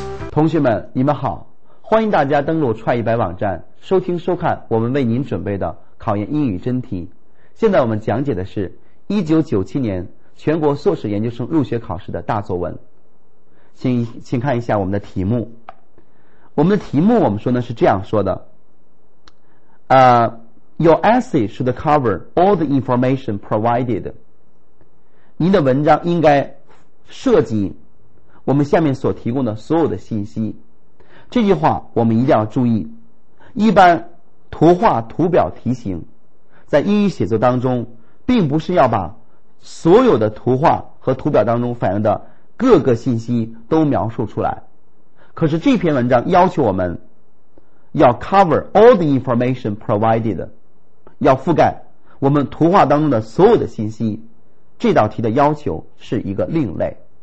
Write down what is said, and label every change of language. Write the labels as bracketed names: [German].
[Chinese] 同学们，你们好，欢迎大家登录创意百网站收听收看我们为您准备的考研英语真题。现在我们讲解的是1997年全国硕士研究生入学考试的大作文。请看一下我们的题目。我们的题目我们说呢是这样说的。 [English] Your essay should cover all the information provided. [Chinese] 你的文章应该涉及我们下面所提供的所有的信息。这句话我们一定要注意，一般图画图表题型在英语写作当中并不是要把所有的图画和图表当中反映的各个信息都描述出来，可是这篇文章要求我们要 [English] cover all the information provided， [Chinese] 要覆盖我们图画当中的所有的信息，这道题的要求是一个另类。